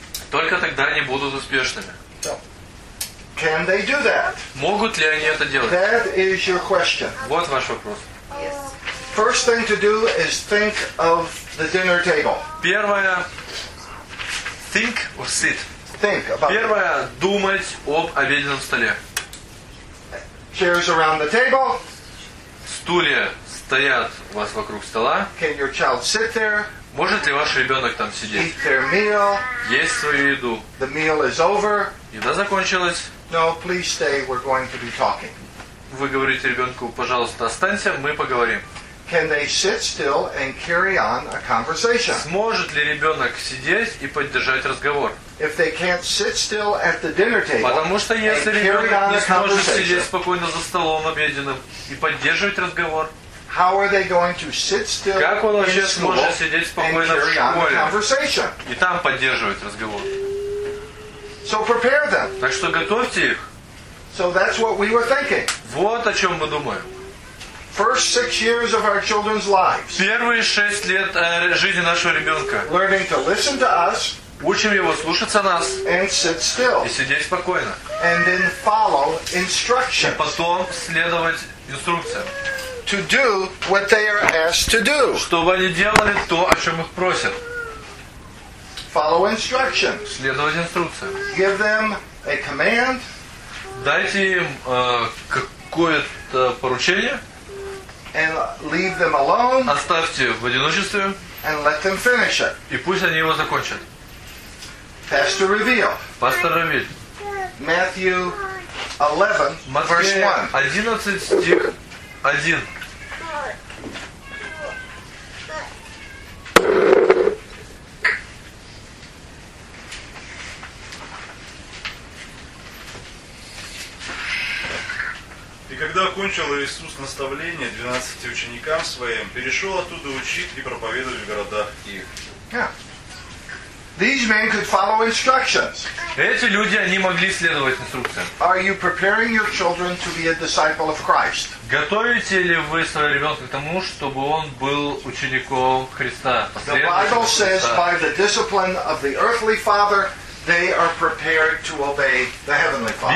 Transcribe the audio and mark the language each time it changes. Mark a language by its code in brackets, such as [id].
[ru] Только тогда они будут успешными. [en] So, can they do that? [ru] Могут ли они это делать? [en] That is your question. [ru] Вот ваш вопрос. [en] Yes. First thing to do is think of the dinner table. [ru] Первое, [en] think or sit. Think about. [ru] Первое, думать об обеденном столе. [en] Chairs around the table. [ru] Стулья стоят у вас вокруг стола. [en] Can your child sit there? [ru] Может ли ваш ребенок там сидеть? [en] Eat their meal. [ru] Есть свою еду. [en] The meal is over. [ru] Еда закончилась. [en] No, please stay. We're going to be talking. [ru] Вы говорите ребенку, пожалуйста, останься, мы поговорим. [en] Can they sit still and carry on a conversation? [ru] Сможет ли ребенок сидеть и поддержать разговор? [en] If they can't sit still at the dinner table, [ru] потому что если ребенок не сможет сидеть спокойно за столом обеденным и поддерживать разговор, [en] how are they going to sit still? [ru] Как он вообще сможет сидеть спокойно в школе и там поддерживать разговор? [en] So prepare them. [ru] Так что готовьте их. [en] So that's what we were thinking. [ru] Вот о чем мы думаем. [en] First 6 years of our children's lives. [ru] Первые 6 лет жизни нашего ребенка. [en] Learning to listen to us. [ru] Учим его слушаться нас. [en] And sit still. [ru] И сидеть спокойно. [en] And then follow instructions. [ru] И потом следовать инструкциям. [en] To do what they are asked to do. [ru] Чтобы они делали то, о чем их просят. [en] Follow instructions. [ru] Следовать инструкциям. [en] Give them a command. [ru] Дайте им какое-то поручение. [en] And leave them alone. [ru] Оставьте в одиночестве. [en] And let them finish it. [ru] И пусть они его закончат. [en] Pastor Reveal. [ru] Пастор Равиль. [en] Matthew 11, verse 1. [ru] 11, стих 1. И когда окончил Иисус наставление 12 ученикам своим, перешел оттуда учить и проповедовать в городах их. [en] These men could follow instructions. [ru] Эти люди, они могли следовать инструкциям. [en] Are you preparing your children to be a disciple of Christ? [ru] Готовите ли вы своего ребенка к тому, чтобы он был учеником Христа? [en] The Bible says by the discipline of the earthly father, they are prepared to obey the heavenly father.